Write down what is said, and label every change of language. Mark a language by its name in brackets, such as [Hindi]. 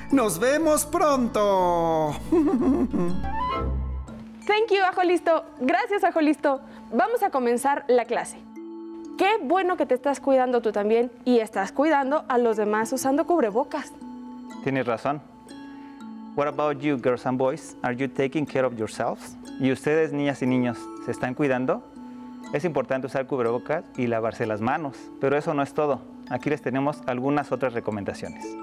[Spanish] ¡Nos vemos pronto! Thank you, Ajo Listo. Gracias, Ajo Listo. Vamos a comenzar la clase. Qué bueno que te estás cuidando tú también y estás cuidando a los demás usando cubrebocas. Tienes razón. [English] What about you, girls and boys? Are you taking care of yourselves? [Spanish] ¿Y ustedes, niñas y niños, se están cuidando? Es importante usar cubrebocas y lavarse las manos. Pero eso no es todo. Aquí les tenemos algunas otras recomendaciones.